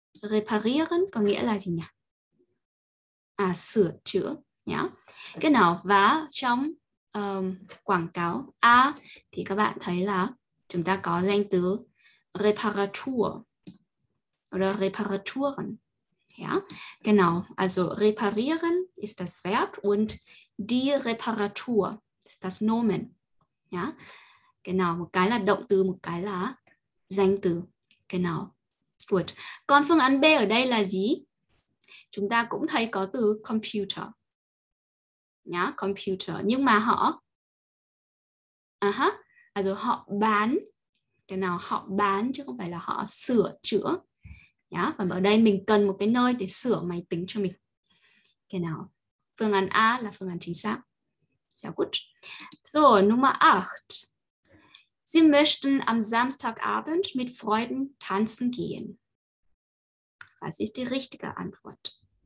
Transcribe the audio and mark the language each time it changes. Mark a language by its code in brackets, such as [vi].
[vi] Reparieren có nghĩa là gì nhỉ? À, sửa chữa nhá. Cái nào? Và trong quảng cáo A thì các bạn thấy là chúng ta có danh từ [de] Reparatur oder Reparaturen. Ja, genau. Also reparieren ist das Verb und die Reparatur ist das Nomen. Ja, genau. [vi] Một cái là động từ, một cái là danh từ. [de] Genau. Gut. [vi] Còn phương án B ở đây là gì? Chúng ta cũng thấy có từ computer. [de] Ja, computer. [vi] Nhưng mà họ... Also họ bán. Genau, họ bán chứ không phải là họ sửa chữa. Nhá, và ở đây mình cần một cái nơi để sửa máy tính cho mình. Cái nào? Phương án A là phương án chính xác. [de] Sehr gut. So, Nummer 8. Sie möchten am Samstagabend mit Freunden tanzen gehen. Was ist die richtige Antwort?